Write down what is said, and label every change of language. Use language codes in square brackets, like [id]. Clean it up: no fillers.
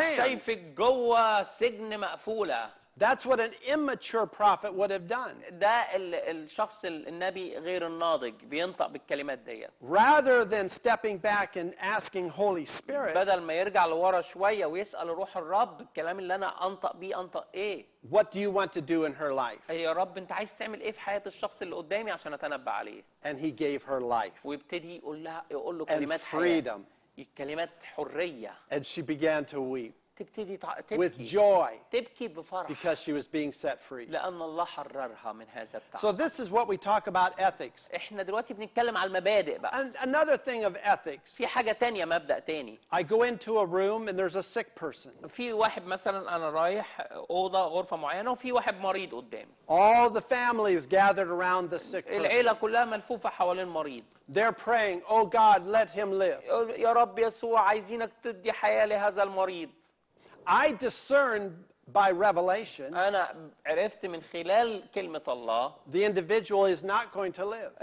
[ar] أنا شايفك جوه سجن مقفولة. [en] That's what an immature prophet would have done. [ar] ده الشخص النبي غير الناضج بينطق بالكلمات دي. [en] Rather than stepping back and asking Holy Spirit. [ar] بدل ما يرجع لورا شوية ويسأل روح الرب الكلام اللي أنا أنطق بيه أنطق إيه. [en] What do you want to do in her life? [ar] يا رب أنت عايز تعمل إيه في حياة الشخص اللي قدامي عشان أتنبأ عليه. [en] And he gave her life. [ar] ويبتدي يقول له كلمات [en] حياة. And freedom. [ar] الكلمات حرية. [en] And she began to weep. [ar] تبتدي تبكي [en] with joy [ar] تبكي بفرح [en] because she was being set free [ar] لأن الله حررها من هذا التعب. [en] So this is what we talk about ethics. [ar] إحنا دلوقتي بنتكلم على المبادئ بقى. [en] And another thing of ethics. [ar] في حاجة تانية مبدأ تاني. [en] I go into a room and there's a sick person. [ar] في واحد مثلا أنا رايح أوضة غرفة معينة وفي واحد مريض قدامي. [en] All the family is gathered around the sick person. [ar] العيلة كلها ملفوفة حول المريض. [en] They're praying, "Oh God, let him live." [ar] يا رب يسوع عايزينك تدي حياة لهذا المريض. [en] I discern by revelation. [ar] أنا عرفت من خلال كلمة الله. [en] The individual is not going to live.